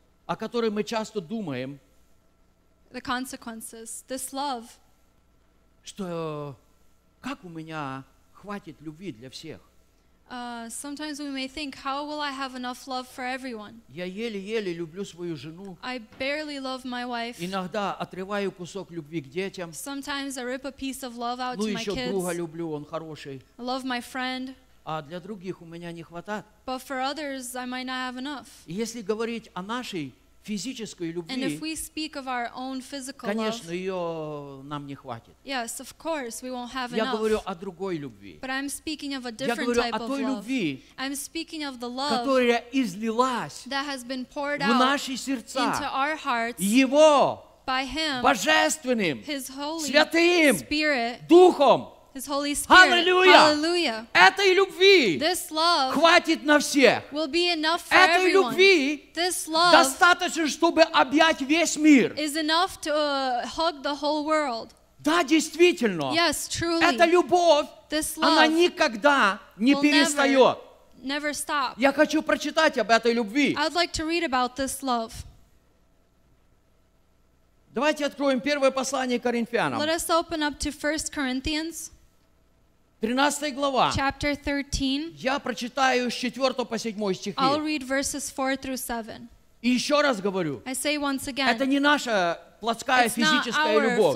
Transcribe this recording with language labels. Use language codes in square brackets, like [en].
[ru] о которой мы часто думаем, [en] the consequences, this love, [ru] что как у меня хватит любви для всех. [en] Sometimes we may think, how will I have enough love for everyone? [ru] Я еле-еле люблю свою жену. [en] I barely love my wife. [ru] Иногда отрываю кусок любви к детям. [en] Sometimes I rip a piece of love out [ru] ну, [en] to my kids. [ru] Ну еще друга люблю, он хороший. [en] I love my friend. [ru] А для других у меня не хватает. [en] But for others, I might not have enough. [ru] Если говорить о нашей физической любви, [en] and if we speak of our own physical [ru] конечно, [en] love, [ru] ее нам не хватит. [en] Yes, of course, we won't have [ru] я [en] enough. [ru] Говорю о другой любви. [en] But I'm speaking of a different type of love. [ru] Я говорю о той любви, [en] I'm speaking of the love, [ru] которая излилась [en] that has been poured [ru] в наши сердца [en] into our hearts, [ru] Его [en] by him, [ru] Божественным, [en] his Holy [ru] Святым, [en] Spirit, [ru] Духом. [en] His Holy Spirit. [ru] Hallelujah. Этой любви [en] this love [ru] хватит на всех. [en] Will be enough for [ru] этой [en] everyone. [ru] Любви [en] this love [ru] достаточно, чтобы объять весь мир. [en] Is enough to hug the whole world. [ru] Да, действительно. [en] Yes, truly. [ru] Эта любовь, [en] this love [ru] она никогда не перестает. [en] Never stop. [ru] Я хочу прочитать об этой любви. [en] I'd like to read about this love. [ru] Давайте откроем первое послание Коринфянам. [en] Let us open up to 1 Corinthians. [ru] 13 глава. [en] Chapter 13. [ru] Я прочитаю с 4 по 7 стихи. [en] I'll read verses 4 through 7. [ru] И еще раз говорю. [en] I say once again. [ru] Это не наша плотская физическая любовь.